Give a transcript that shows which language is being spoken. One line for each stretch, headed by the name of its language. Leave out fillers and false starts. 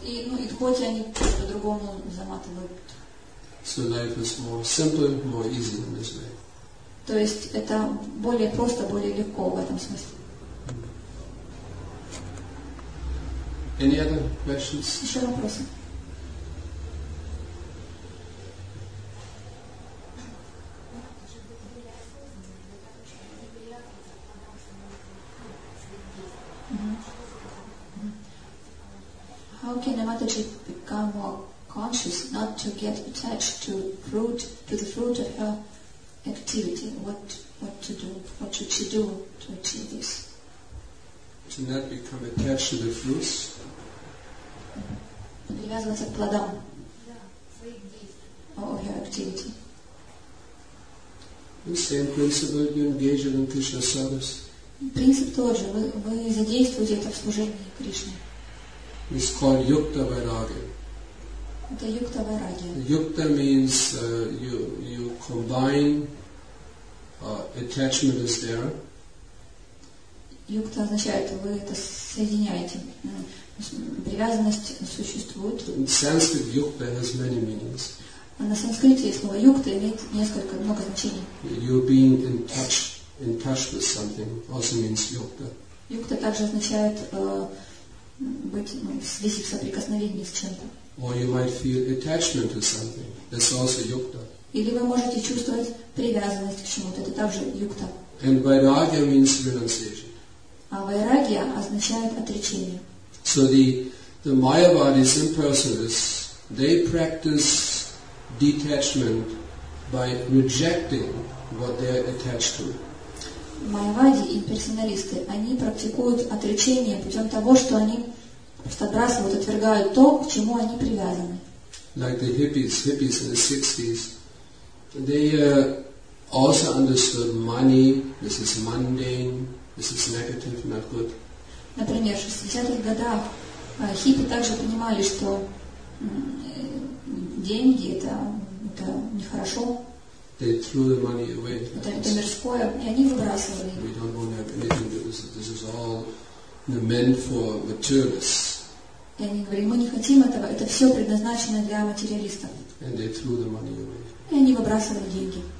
Russian: И хоть они по-другому заматывают.
English: So life is more simple, more easy in this way.
Russian: То есть это более просто, более легко в этом смысле.
English: Any other questions?
Russian: Еще вопросы?
English: How can a Mataji become more conscious not to get attached to the fruit of her activity? What to do? What should she do to achieve this? To not become attached to the fruits?
Russian: Привязываться к плодам.
English: Yeah, of her activity. The same principle you engage in Krishna service.
Russian: Принцип тот же. Вы задействуете это в служении Кришне.
English: It's called Yukta Vairagya.
Russian: Это Yukta Vairagya.
English: Yukta means you combine attachment is there.
Russian: Yukta означает, вы это соединяете. Привязанность существует.
English: In Sanskrit, Yukta has many meanings.
Russian: А на санскрите слово Yukta имеет несколько, много значений.
English: You're being in touch with something also means Yukta.
Russian: Yukta также означает быть связи, в соприкосновении с чем-то.
English: Or you might feel attachment to something. That's also Yukta.
Russian: Или вы можете чувствовать привязанность к чему-то. Это также Yukta.
English: And Vairagya means renunciation.
Russian: А Vairagya означает отречение.
English: So the Mayavadis, impersonalists, they practice detachment by rejecting what they are attached to.
Russian: Майявади, имперсоналисты, они практикуют отречение путем того, что они отбрасывают, отвергают то, к чему они привязаны.
English: Like the hippies in the 60s, they also understood money, this is mundane, this is negative, not good.
Russian: Например, в 60-х годах хиппи также понимали, что деньги это нехорошо.
English: They threw the money away. We don't want to have anything to do with it. This is all meant for materialists. And they threw the money away.